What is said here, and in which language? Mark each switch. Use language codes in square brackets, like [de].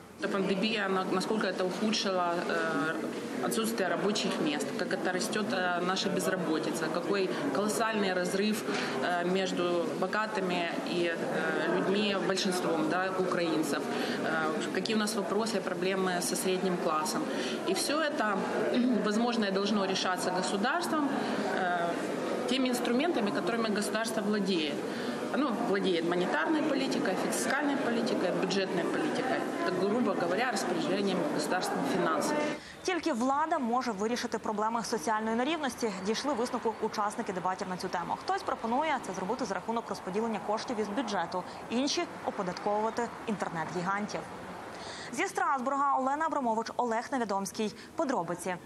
[uk] Та пандемія, наскільки це ухудшила відсутствие робочих міст, як це росте наша безробітниця, який колосальний розрив між багатими і людьми, більшістю, да, українців, які у нас питання, проблеми зі середнім класом. І все це, можливо, повинно рішатися державством тими інструментами, якими державство володіє. [ru] Оно владеет монетарной политикой, фискальной политикой, бюджетной политикой. Так, грубо говоря, распоряжением государственных финансов. [uk] Тільки влада може вирішити проблеми соціальної нерівності, дійшли висновку учасники дебатів на цю тему. Хтось пропонує це зробити за рахунок розподілення коштів із бюджету, інші – оподатковувати інтернет-гігантів. Зі Страсбурга Олена Абрамович, Олег Невідомський. Подробиці.